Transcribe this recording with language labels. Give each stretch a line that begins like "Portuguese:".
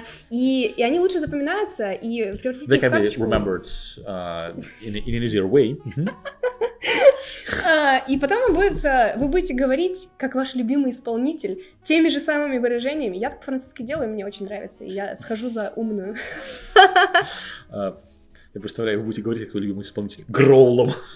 Russian: И они лучше запоминаются и превратите в карточку.
English: They can be remembered in an easier way.
Russian: И потом вы будете говорить, как ваш любимый исполнитель, теми же самыми выражениями. Я так по-французски делаю, мне очень нравится. Я схожу за умную. Я представляю, вы будете говорить, как твой любимый исполнитель, гроулом.